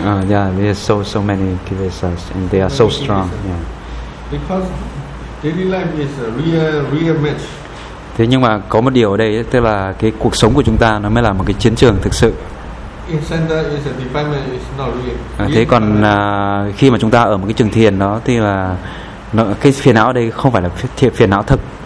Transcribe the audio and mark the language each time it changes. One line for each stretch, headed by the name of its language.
English: Yeah, there are so many kilesas and they are so strong. Yeah. Because daily life is a real match.
Vietnamese: Thế nhưng mà có một điều ở đây, tức là cái cuộc sống của chúng ta nó mới là một cái chiến trường thực sự.
English: In center is a defilement, it's not real.
Vietnamese: Thế còn khi mà chúng ta ở một cái trường thiền đó thì là nó, cái phiền não ở đây không phải là phiền não thực.